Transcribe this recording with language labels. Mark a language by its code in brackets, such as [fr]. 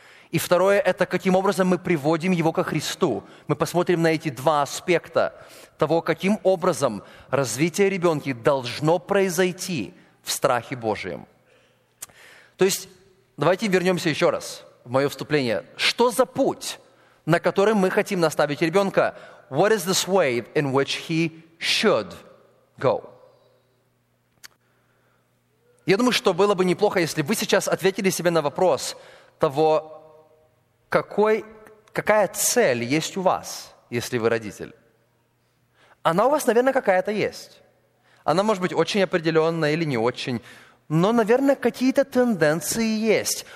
[ru] И второе – это каким образом мы приводим его ко Христу. Мы посмотрим на эти два аспекта того, каким образом развитие ребенка должно произойти в страхе Божьем. То есть, давайте вернемся еще раз в мое вступление. Что за путь, на который мы хотим наставить ребенка? [en] What is this way in which he should go? [ru] Я думаю, что было бы неплохо, если бы вы сейчас ответили себе на вопрос того, какая цель есть у вас, если вы родитель. Она у вас, наверное, какая-то есть. Она может быть очень определенная или не очень, но, наверное, какие-то тенденции есть.